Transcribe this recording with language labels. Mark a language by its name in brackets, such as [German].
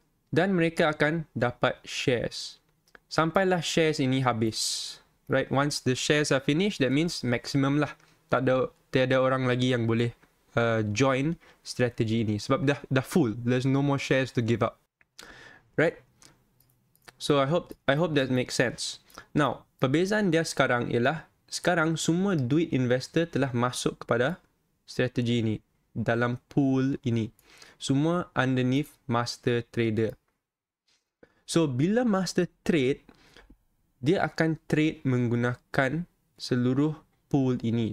[Malay] Dan mereka akan dapat shares. Sampailah shares ini habis. [English] Right, once the shares are finished, that means maximum lah. [Malay] Tiada orang lagi yang boleh join strategi ini. Sebab dah full. [English] There's no more shares to give up. Right? So, I hope that makes sense. [Malay] Now, perbezaan dia sekarang ialah, sekarang semua duit investor telah masuk kepada strategi ini. Dalam pool ini. Semua underneath master trader. So, bila master trade, dia akan trade menggunakan seluruh pool ini.